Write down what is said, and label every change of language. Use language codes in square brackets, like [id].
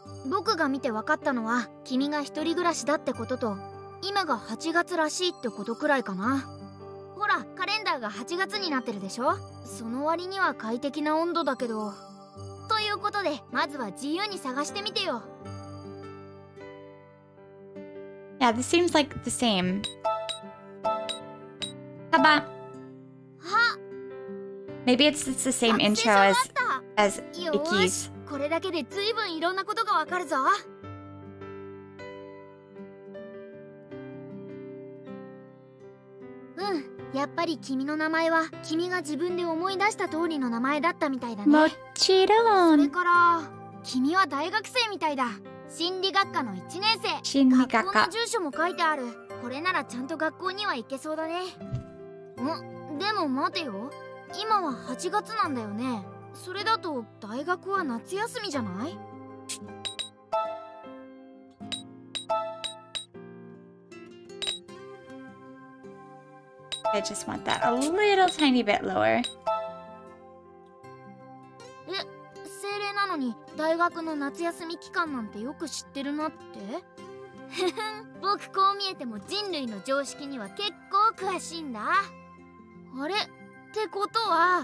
[ja] 僕が見てわかったのは君が一人暮らしだってことと、今が8月らしいってことくらいかな。ほら、カレンダーが8月になってるでしょ。その割には快適な温度だけど。ということで、まずは自由に探してみてよ。 [en] Yeah, this seems like the same. [ja] カバン。は。 [en] Maybe it's the same intro as Ikki's. [ja] よし、これだけで随分いろんなことがわかるぞ。やっぱり君の名前は君が自分で思い出した通りの名前だったみたいだね。もちろん。それから君は大学生みたいだ。心理学科の1年生。心理学科。学校の住所も書いてある。これならちゃんと学校には行けそうだね。ん、でも待てよ。今は8月なんだよね。それだと大学は夏休みじゃない？ [en] I just want that a little tiny bit lower. [ja] え、精霊なのに大学の夏休み期間なんてよく知ってるなって? 僕こう見えても人類の常識には結構詳しいんだ。あれ、ってことは